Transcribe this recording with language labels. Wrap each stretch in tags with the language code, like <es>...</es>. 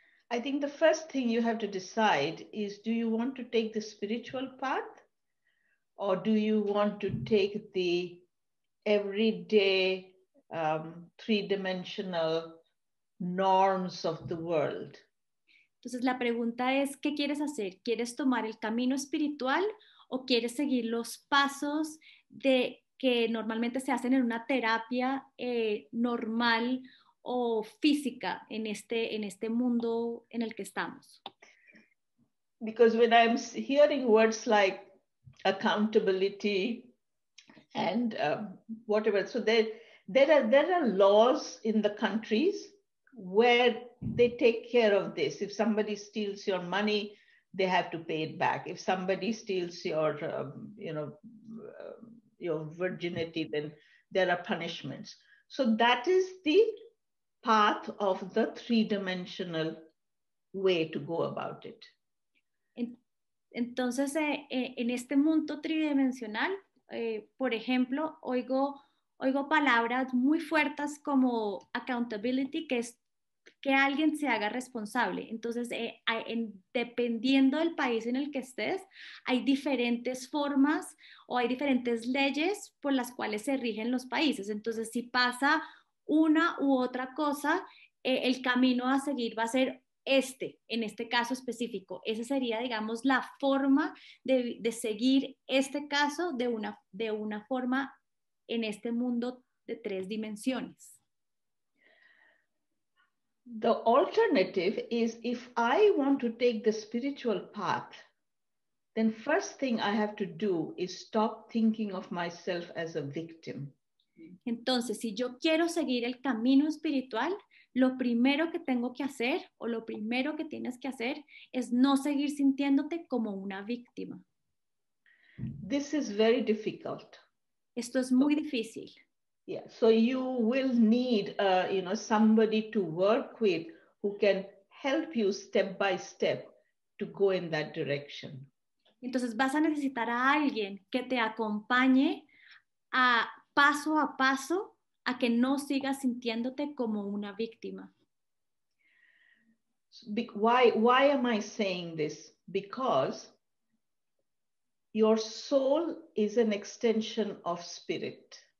<en>I think the first thing you have to decide is, do you want to take the spiritual path or do you want to take the everyday three-dimensional norms of the world?</en> <es>Entonces la pregunta es, ¿qué quieres hacer? ¿Quieres tomar el camino espiritual o quieres seguir los pasos de que normalmente se hacen en una terapia normal o física en este mundo en el que estamos?</es> <en>Because when I'm hearing words like accountability and whatever, so there are laws in the countries where they take care of this. If somebody steals your money, they have to pay it back. If somebody steals your virginity, then there are punishments. So that is the path of the three-dimensional way to go about it.</en> <es>Entonces, en este mundo tridimensional, por ejemplo, oigo palabras muy fuertes como accountability, que es que alguien se haga responsable. Entonces, dependiendo del país en el que estés, hay diferentes formas o hay diferentes leyes por las cuales se rigen los países. Entonces, si pasa una u otra cosa, el camino a seguir va a ser este, en este caso específico. Esa sería, digamos, la forma de seguir este caso de una forma en este mundo de tres dimensiones.</es> <en>The alternative is, if I want to take the spiritual path, then first thing I have to do is stop thinking of myself as a victim.</en> <es>Entonces, si yo quiero seguir el camino espiritual, lo primero que tengo que hacer, o lo primero que tienes que hacer, es no seguir sintiéndote como una víctima.</es> <en>This is very difficult.</en> <es>Esto es muy difícil.</es> <en>Yeah, so you will need somebody to work with who can help you step by step to go in that direction.</en> <es>Entonces vas a necesitar a alguien que te acompañe a paso a paso a que no sigas sintiéndote como una víctima.</es> <en>Why am I saying this? Because your soul is an extension of spirit.</en>